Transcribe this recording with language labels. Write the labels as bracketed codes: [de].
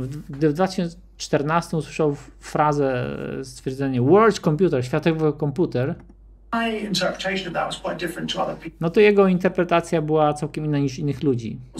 [pl] Gdy w 2014 usłyszał frazę, stwierdzenie world computer, światowy komputer, [en] my interpretation of that was quite different to other people. [pl] No to jego interpretacja była całkiem inna niż innych ludzi.